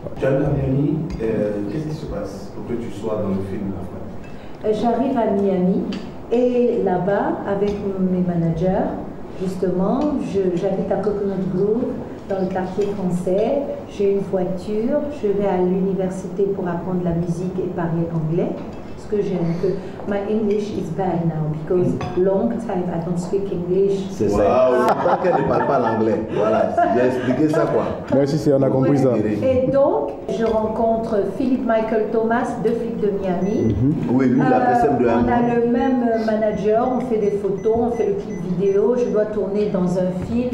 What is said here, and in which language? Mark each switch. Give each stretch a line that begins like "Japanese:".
French: Tu arrives à Miami, qu'est-ce qui se passe pour que tu sois dans le film après? J'arrive à Miami et là-bas, avec mes managers, justement, j'habite à Coconut Grove, dans le quartier français. J'ai une voiture, je vais à l'université pour apprendre la musique et parler anglais. Parce que j'ai un peu...
English: My English is bad now, because long time I don't speak English.
French: C'est ça, wow. Qu'elle ne parle pas l'anglais. Voilà, j'ai expliqué ça quoi. Merci, si on a compris ça. Et donc, je rencontre Philippe Michael Thomas, deux flics de Miami. Mm-hmm. Oui, lui, la personne de Miami. On a le même manager, on fait des photos, on fait le clip vidéo. Je dois tourner dans un film.